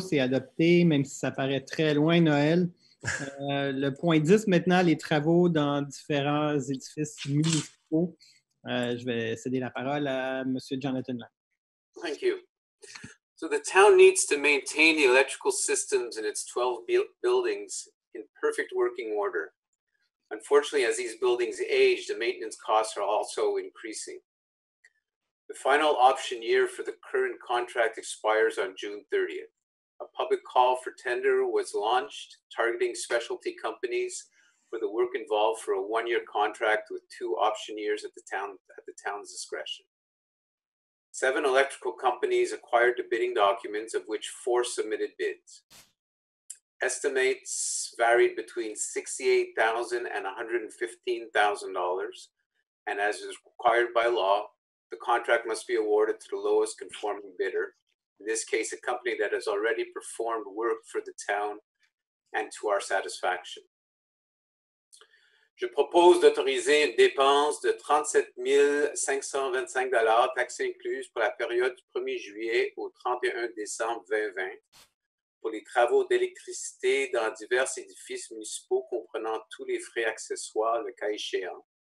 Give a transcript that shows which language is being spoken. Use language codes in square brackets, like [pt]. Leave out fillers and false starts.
[fr] C'est adopté, même si ça paraît très loin, Noël. Le point 10, maintenant, les travaux dans différents édifices municipaux. Je vais céder la parole à M. Jonathan Lang. [en] Thank you. So the town needs to maintain the electrical systems in its 12 buildings in perfect working order. Unfortunately, as these buildings age, the maintenance costs are also increasing. The final option year for the current contract expires on June 30th. A public call for tender was launched, targeting specialty companies for the work involved for a one-year contract with two option years at the town's discretion. Seven electrical companies acquired the bidding documents, of which four submitted bids. Estimates varied between $68,000 and $115,000, and as is required by law, the contract must be awarded to the lowest conforming bidder, in this case, a company that has already performed work for the town and to our satisfaction. [fr] Je propose d'autoriser une dépense de $37,525 taxes incluses pour la période du 1er juillet au 31 décembre 2020 pour les travaux d'électricité dans divers édifices municipaux comprenant tous les frais accessoires, le cas échéant.